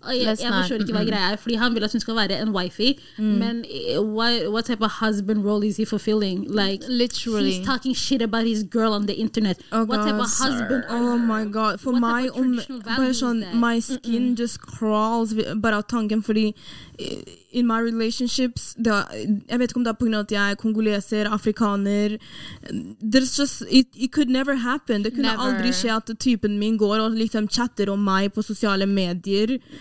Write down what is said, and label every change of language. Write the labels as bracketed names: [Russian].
[Swedish] Jag förstår inte vad grejen är, för han vill att hon ska vara en wifey. Mm. [English] Men what type of husband role is he fulfilling? Like, literally. He's talking shit about his girl on the internet. Oh what God, type of husband sir. Are you? Oh my God. For my own question, my skin just crawls [Swedish] bara tanken, för [English] in my relationships, [Swedish] jag vet inte om det är på grund av att jag är kongoleser, afrikaner. [English] There's just, it could never happen. [Swedish] Det kunde aldrig ske att typen min går och liksom chatter om mig på sociala medier.